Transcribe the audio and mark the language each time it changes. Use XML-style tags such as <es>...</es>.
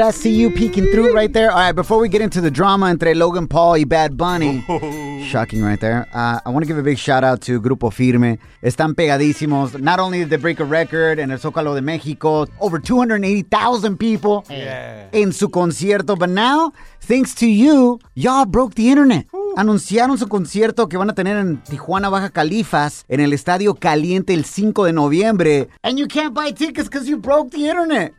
<en>I see you peeking through right there. All right, before we get into the drama entre Logan Paul y Bad Bunny. Shocking right there. I want to give a big shout out to Grupo Firme.</en> <es>Están pegadísimos.</es> <en>Not only did they break a record</en> <es>en el Zócalo de México,</es> <en>over 280,000 people in</en> <es>su concierto.</es> <en>But now, thanks to you, y'all broke the internet.</en> <es>Anunciaron su concierto que van a tener en Tijuana, Baja Califas, en el Estadio Caliente el 5 de noviembre.</es> <en>And you can't buy tickets because you broke the internet.</en>